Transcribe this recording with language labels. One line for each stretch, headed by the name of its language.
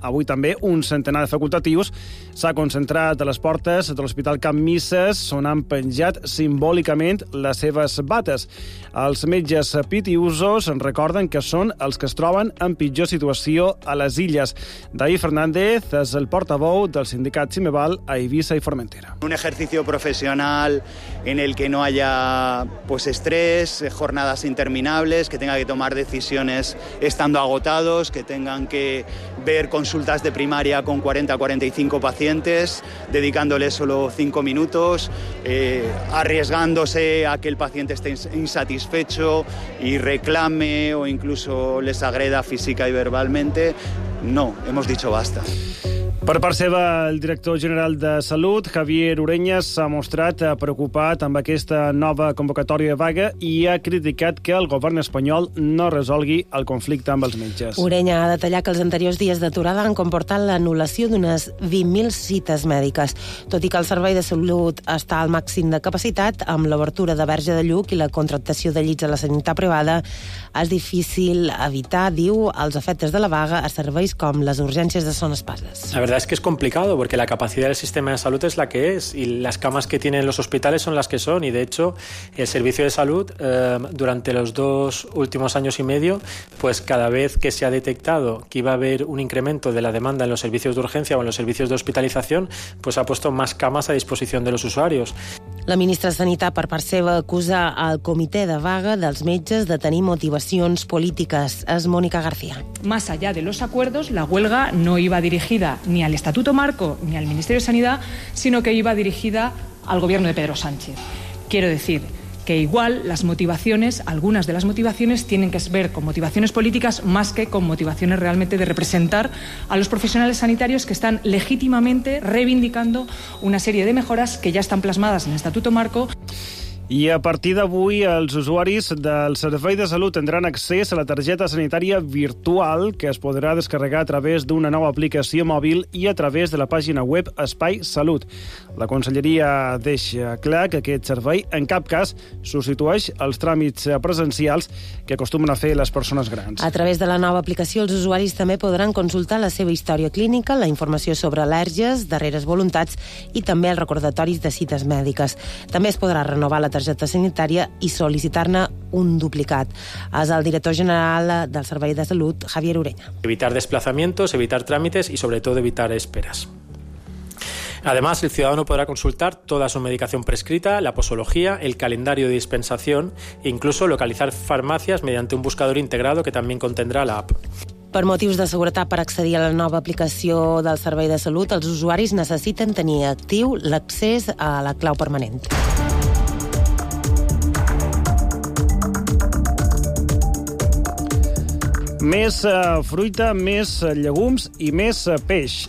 Catalan: Avui també un centenar de facultatius s'ha concentrat a les portes de l'Hospital Can Misses, on han penjat simbòlicament les seves bates. Els metges pitiüsos en recorden que són els que es troben en pitjor situació a les illes. David Fernández és el portaveu del sindicat Cimeval a Eivissa i Formentera.
Spanish: Un ejercicio profesional en el que no haya pues estrés, jornadas interminables, que tenga que tomar decisiones estando agotados, que tengan que ver consultas de primaria con 40-45 pacientes, dedicándoles solo 5 minutos, arriesgándose a que el paciente esté insatisfecho y reclame o incluso les agreda física y verbalmente. No, hemos dicho basta.
Catalan: Per part seva, el director general de Salut, Javier Ureña, s'ha mostrat preocupat amb aquesta nova convocatòria de vaga i ha criticat que el govern espanyol no resolgui el conflicte amb els metges. Ureña ha detallat que els anteriors dies d'aturada han comportat l'anul·lació d'unes 20.000 cites mèdiques. Tot i que el servei de salut està al màxim de capacitat, amb l'obertura de Verge de Lluc i la contractació de llits a la sanitat privada, és difícil evitar, diu, els efectes de la vaga a serveis com les urgències de Son Espases.
Spanish: La verdad es que es complicado porque la capacidad del sistema de salud es la que es y las camas que tienen los hospitales son las que son y de hecho el servicio de salud durante los dos últimos años y medio pues cada vez que se ha detectado que iba a haber un incremento de la demanda en los servicios de urgencia o en los servicios de hospitalización pues ha puesto más camas a disposición de los usuarios.
Catalan: La ministra de Sanitat, per part seva, acusa el comitè de vaga dels metges de tenir motivacions polítiques. És Mònica García.
Spanish: Más allá de los acuerdos, la huelga no iba dirigida ni al Estatuto Marco ni al Ministerio de Sanidad, sino que iba dirigida al gobierno de Pedro Sánchez. Quiero decir que igual las motivaciones, algunas de las motivaciones, tienen que ver con motivaciones políticas más que con motivaciones realmente de representar a los profesionales sanitarios que están legítimamente reivindicando una serie de mejoras que ya están plasmadas en el Estatuto Marco.
Catalan: I a partir d'avui, els usuaris del Servei de Salut tindran accés a la targeta sanitària virtual que es podrà descarregar a través d'una nova aplicació mòbil i a través de la pàgina web Espai Salut. La conselleria deixa clar que aquest servei, en cap cas, substitueix els tràmits presencials que acostumen a fer les persones grans. A través de la nova aplicació, els usuaris també podran consultar la seva història clínica, la informació sobre al·lèrgies, darreres voluntats i també els recordatoris de cites mèdiques. També es podrà renovar la targeta sanitària i sol·licitar-ne un duplicat. És el director general del Servei de Salut, Javier Ureña.
Spanish: Evitar desplazamientos, evitar trámites y sobre todo evitar esperas. Además, el ciudadano podrá consultar toda su medicación prescrita, la posología, el calendario de dispensación e incluso localizar farmacias mediante un buscador integrado que también contendrá la app.
Catalan: Per motius de seguretat per accedir a la nova aplicació del Servei de Salut, els usuaris necessiten tenir actiu l'accés a la clau permanent. Més fruita, més llegums i més peix.